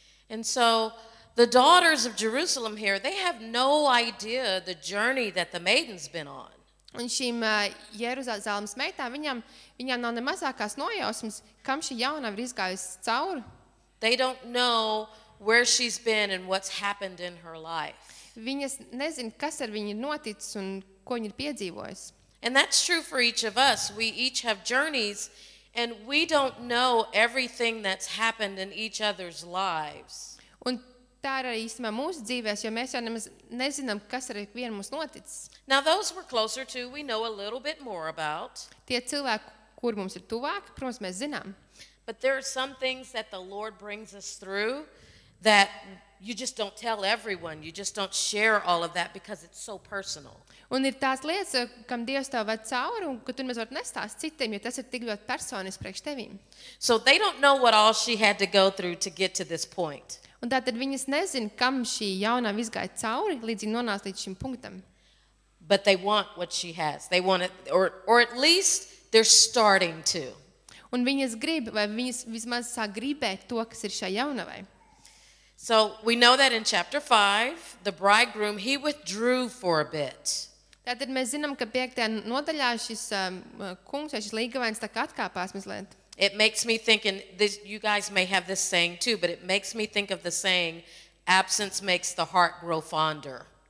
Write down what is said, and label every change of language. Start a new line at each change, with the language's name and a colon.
English: And so the daughters of Jerusalem here, they have no idea the journey that the maiden's been on.
Latvian: Un šīm Jeruzalemes meitām, viņam nav ne mazākās nojausmas, kam šī jaunā ir izgājusi cauri.
English: They don't know where she's been and what's happened in her life.
Latvian: Viņas nezin, kas ar viņu ir noticis un ko viņa ir piedzīvojis.
English: And that's true for each of us. We each have journeys and we don't know everything that's happened in each other's lives.
Latvian: Un tā ir arī īstumā mūsu dzīvēs, jo mēs jau nemaz nezinām, kas ar ikvienu mums noticis.
English: Now those we're closer to, we know a little bit more about.
Latvian: Tie cilvēki, kur mums ir tuvāki, protams, mēs zinām.
English: But there are some things that the Lord brings us through that you just don't tell everyone, you just don't share all of that because it's so personal.
Latvian: Un ir tās lietas, kam Dievs tev ved cauri, un ka tu nemaz vari nestāst citiem, jo tas ir tik ļoti personis priekš tevīm.
English: So they don't know what all she had to go through to get to this point.
Latvian: Un tātad viņas nezin, kam šī jaunā izgāja cauri, līdz viņa nonāca līdz šim punktam.
English: But they want what she has. They want it, or at least they're starting to.
Latvian: Un viņas grib, vai viņas vismaz sāk gribēt to, kas ir šai jaunavai.
English: So we know that in chapter 5, the bridegroom, he withdrew for a bit.
Latvian: Tātad mēs zinām, ka piektajā nodaļā šis kungs, šis līgavains tā kā atkāpās mazliet.
English: It makes me think, and this, you guys may have this saying too, but it makes me think of the saying, absence makes the heart grow fonder.